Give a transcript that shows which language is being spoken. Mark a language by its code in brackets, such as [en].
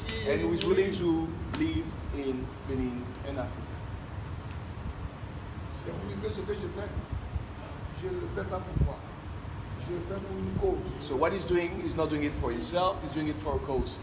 [en] And he was willing to live in Benin and Africa. [fr] C'est pour que ce que je fais, je le fais pas pour moi. Je le fais pour une cause. [en] So what he's doing, he's not doing it for himself, he's doing it for a cause.